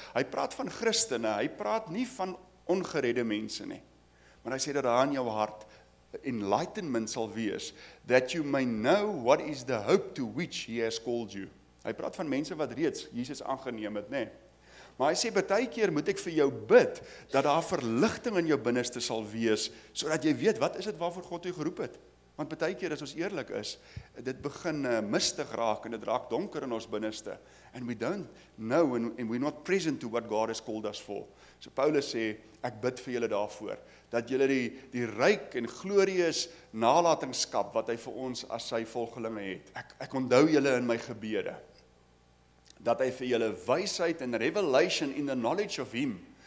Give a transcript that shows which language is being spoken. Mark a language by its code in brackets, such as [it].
[af] Hy praat van Christene, hy praat nie van ongeredde mense nie. Maar hy sê dat daar in jou hart enlightenment sal wees, [en] that you may know what is the hope to which he has called you. [af] Hy praat van mense wat reeds Jesus aangeneem het, nê. Maar hy sê, baie keer moet ek vir jou bid, dat daar verligting in jou binneste sal wees, sodat jy weet, wat is het waarvoor God jou geroep het? Want baie keer, as ons eerlik is, dit begin mistig raak, en dit raak donker in ons binneste. [en] And we don't know, and we're not present to what God has called us for. [af] So Paulus sê, ek bid vir julle daarvoor, dat julle die ryk en glorieus nalatingskap wat hy vir ons as sy volgelinge het. Ek onthou julle in my gebede, dat hy vir julle wysheid en [en] revelation in the knowledge of him.